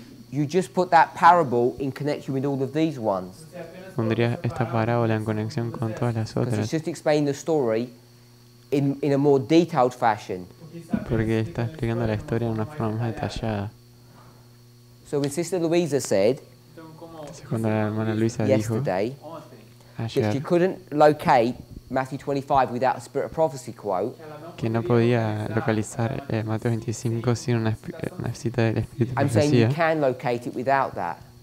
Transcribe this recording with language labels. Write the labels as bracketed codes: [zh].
[en] You just put that parable in connection with all of these ones. [es] Pondría esta parábola en conexión con todas las otras. [en] It's just explaining the story in a more detailed fashion. [es] Porque está explicando la historia de una forma más detallada. [en] So when Sister Louisa said yesterday that she couldn't locate Matthew 25 without a spirit of prophecy quote, [es] que no podía localizar Mateo 25 sin una cita del Espíritu de Profecía, [en] I'm saying you can locate it without that.